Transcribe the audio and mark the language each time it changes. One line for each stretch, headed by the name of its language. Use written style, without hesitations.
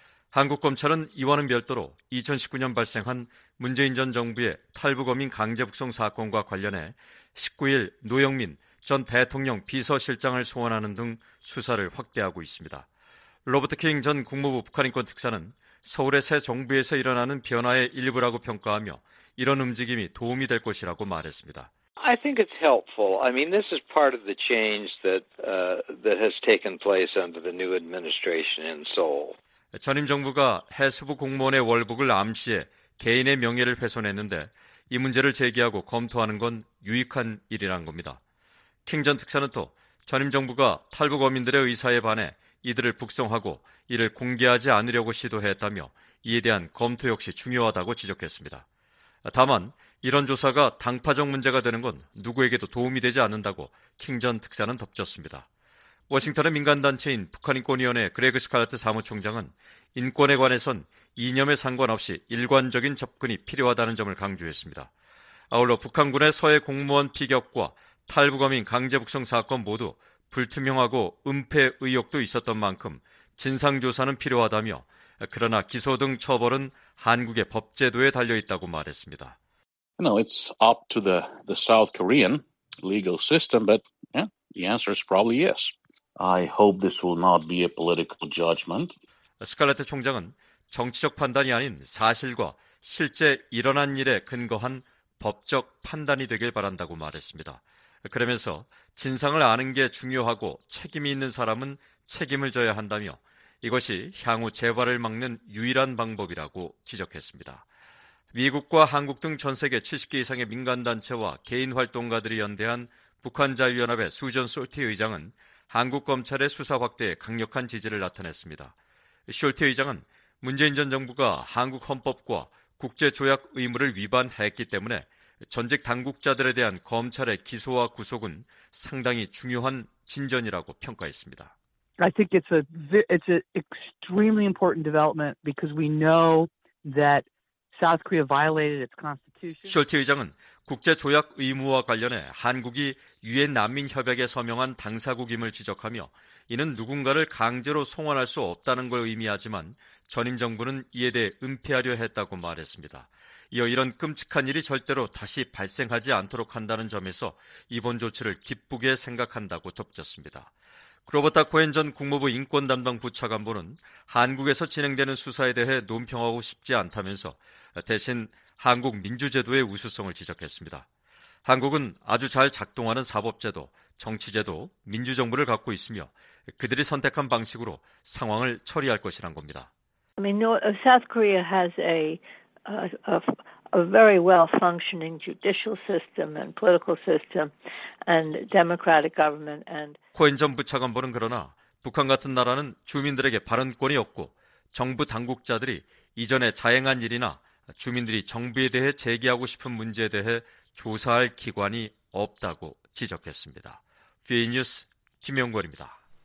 Korean: 한국검찰은 이와는 별도로 2019년 발생한 문재인 전 정부의 탈북어민 강제북송 사건과 관련해 19일 노영민 전 대통령 비서실장을 소환하는 등 수사를 확대하고 있습니다. 로버트 킹 전 국무부 북한인권 특사는 서울의 새 정부에서 일어나는 변화의 일부라고 평가하며 이런 움직임이 도움이 될 것이라고 말했습니다.
English: I think it's helpful. I mean, this is part of the change that has taken place under the new administration in Seoul.
Korean: 전임 정부가 해수부 공무원의 월북을 암시해 개인의 명예를 훼손했는데 이 문제를 제기하고 검토하는 건 유익한 일이란 겁니다. 킹 전 특사는 또 전임 정부가 탈북 어민들의 의사에 반해 이들을 북송하고 이를 공개하지 않으려고 시도했다며 이에 대한 검토 역시 중요하다고 지적했습니다. 다만 이런 조사가 당파적 문제가 되는 건 누구에게도 도움이 되지 않는다고 킹 전 특사는 덧붙였습니다. 워싱턴의 민간단체인 북한인권위원회 그레그 스칼라트 사무총장은 인권에 관해선 이념에 상관없이 일관적인 접근이 필요하다는 점을 강조했습니다. 아울러 북한군의 서해 공무원 피격과 탈북어민 강제북송 사건 모두 불투명하고 은폐 의혹도 있었던 만큼 진상조사는 필요하다며 그러나 기소 등 처벌은 한국의 법제도에 달려있다고 말했습니다.
English: No, it's up to the South Korean legal system, but yeah, the answer is probably yes. I hope this will not be a political judgment.
Korean: 스칼레트 총장은 정치적 판단이 아닌 사실과 실제 일어난 일에 근거한 법적 판단이 되길 바란다고 말했습니다. 그러면서 진상을 아는 게 중요하고 책임이 있는 사람은 책임을 져야 한다며 이것이 향후 재발을 막는 유일한 방법이라고 지적했습니다. 미국과 한국 등 전 세계 70개 이상의 민간단체와 개인 활동가들이 연대한 북한자유연합의 수전 솔티 의장은 한국 검찰의 수사 확대에 강력한 지지를 나타냈습니다. 솔티 의장은 문재인 전 정부가 한국 헌법과 국제조약 의무를 위반했기 때문에 전직 당국자들에 대한 검찰의 기소와 구속은 상당히 중요한 진전이라고 평가했습니다.
English: I think it's an extremely important development because we know that South Korea violated its constitution.
Korean: 숄트 의장은 국제조약 의무와 관련해 한국이 유엔 난민협약에 서명한 당사국임을 지적하며 이는 누군가를 강제로 송환할 수 없다는 걸 의미하지만 전임 정부는 이에 대해 은폐하려 했다고 말했습니다. 이어 이런 끔찍한 일이 절대로 다시 발생하지 않도록 한다는 점에서 이번 조치를 기쁘게 생각한다고 덧붙였습니다. 로버타 코엔 전 국무부 인권 담당 부차관보는 한국에서 진행되는 수사에 대해 논평하고 싶지 않다면서 대신 한국 민주제도의 우수성을 지적했습니다. 한국은 아주 잘 작동하는 사법제도, 정치제도, 민주정부를 갖고 있으며 그들이 선택한 방식으로 상황을 처리할 것이란 겁니다.
English: I mean, South Korea has a very well-functioning judicial system and political system and democratic government.
Korean: 코엔 전 부차관보는 그러나 북한 같은 나라는 주민들에게 발언권이 없고 정부 당국자들이 이전에 자행한 일이나 주민들이 정부에 대해 제기하고 싶은 문제에 대해 조사할 기관이 없다고 지적했습니다. 비 뉴스 김영권입니다.